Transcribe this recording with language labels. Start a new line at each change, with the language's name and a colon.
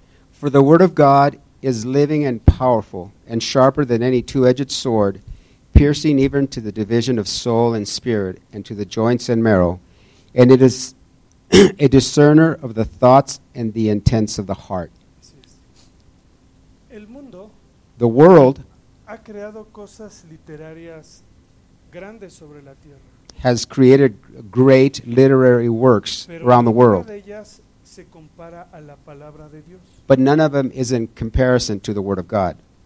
English: For the word of God is living and powerful and sharper than any two-edged sword, piercing even to the division of soul and spirit and to the joints and marrow. And it is a discerner of the thoughts and the intents of the heart.
Spanish: El mundo
English: the world
Spanish: ha creado cosas literarias grandes sobre la tierra.
English: Has created great literary works
Spanish: Pero
English: around the world.
Spanish: Una de ellas se compara a la palabra de Dios.
English: But none of them is in comparison to the Word of God.